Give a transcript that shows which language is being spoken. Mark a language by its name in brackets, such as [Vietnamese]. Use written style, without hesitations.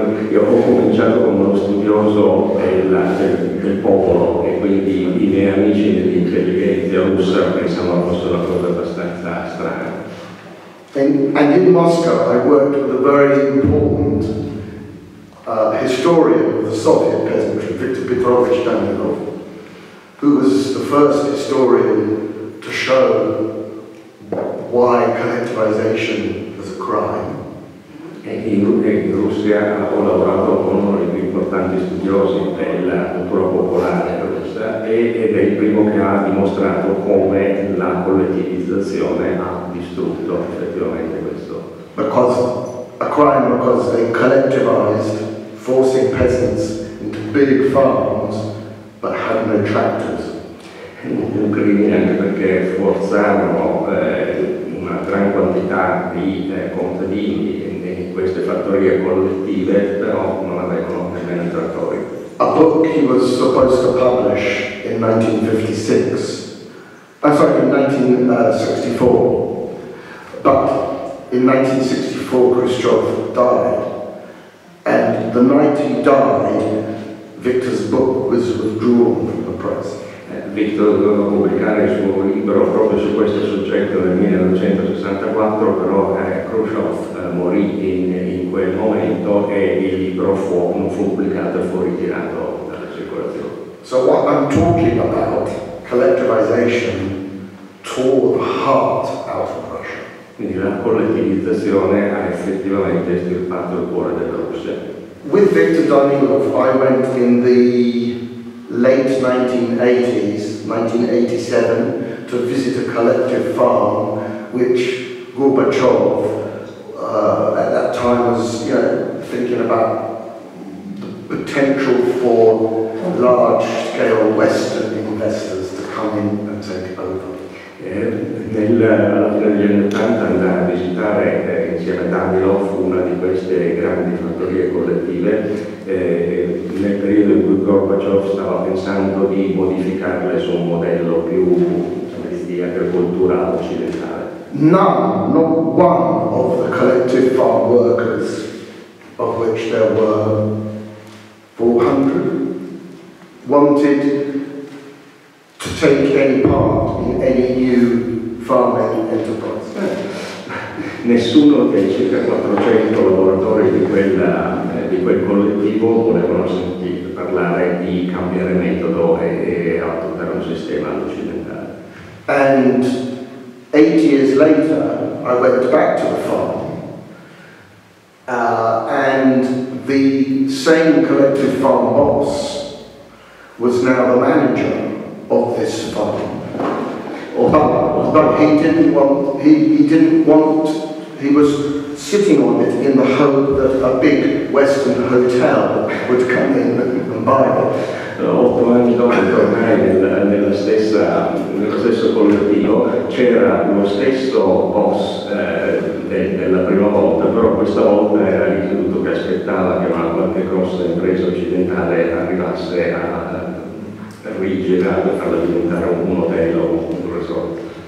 [Italian] Io ho cominciato come uno studioso del popolo, e quindi i miei amici dell'intelligenza russa pensavano fosse una cosa abbastanza strana. [English] And in Moscow I worked with a very important historian of the Soviet peasantry, Viktor Petrovich Danilov, who was the first historian to show why collectivization was a crime. [Italian] In Russia ho lavorato con uno dei più importanti studiosi della cultura popolare russa ed è il primo che ha dimostrato come la collettivizzazione ha distrutto effettivamente questo. [English] Because a crime, because they collectivized, forcing peasants into big farms but had no tractors. [Italian] Un crimine anche perché forzarono una gran quantità di contadini queste fattorie collettive, però non avevano nemmeno i trattori. [English] A book he was supposed to publish in 1964, but in 1964 Khrushchev died, and the night he died, Victor's book was withdrawn from the press. [Italian] Victor doveva pubblicare il suo libro proprio su questo soggetto nel 1964, però Khrushchev morì in quel momento e il libro non fu pubblicato, fu ritirato dalla circolazione. [English] So what I'm talking about, collectivization, tore the heart out of Russia. [Italian] Quindi la collettivizzazione ha effettivamente estirpato il cuore della Russia. [English] With Victor Danilov, I went in the late 1980s, 1987, to visit a collective farm which Gorbachev at that time was, you know, thinking about the potential for large-scale Western investors to come in and take over. [Italian] Alla fine degli anni 80 andai a visitare insieme a Danilov una di queste grandi fattorie collettive nel periodo in cui Gorbachev stava pensando di modificarle su un modello più di agricoltura occidentale. [English] Not one of the collective farm workers, of which there were 400, wanted to take any part in any new farming enterprise. [Italian] Nessuno dei circa 400 lavoratori di quel collettivo volevano sentire parlare di cambiare metodo e adottare un sistema occidentale. [English] And 8 years later, I went back to the farm, and the same collective farm boss was now the manager of this farm. But he didn't want, he was sitting on it in the hope that a big Western hotel would come in and buy it. [Italian] 8 anni dopo tornai nello stesso collettivo, c'era lo stesso boss della prima volta, però questa volta era l'istituto che aspettava che una qualche grossa impresa occidentale arrivasse a rigirare, a farla diventare un modello, un resort.